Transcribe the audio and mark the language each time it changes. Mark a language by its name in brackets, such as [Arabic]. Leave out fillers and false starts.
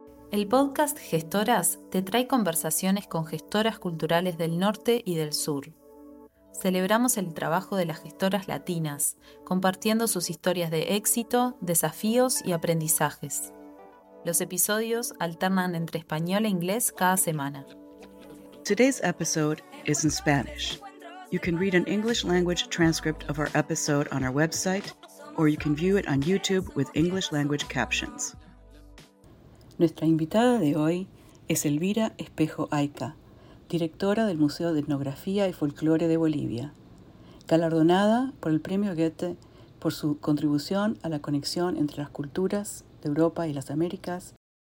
[Spanish] El podcast Gestoras te trae conversaciones con gestoras culturales del norte y del sur. Celebramos el trabajo de las gestoras latinas, compartiendo sus historias de éxito, desafíos y aprendizajes. Los episodios alternan entre español e inglés cada semana. [English] Today's episode is in Spanish. You can read an English language transcript of our episode on our website, or you can view it on YouTube with English language captions. [Spanish] Nuestra invitada de hoy es Elvira Espejo Ayca, directora del Museo de Etnografía y Folclore de Bolivia, galardonada por el Premio Goethe por su contribución a la conexión entre las culturas de Europa y las Américas.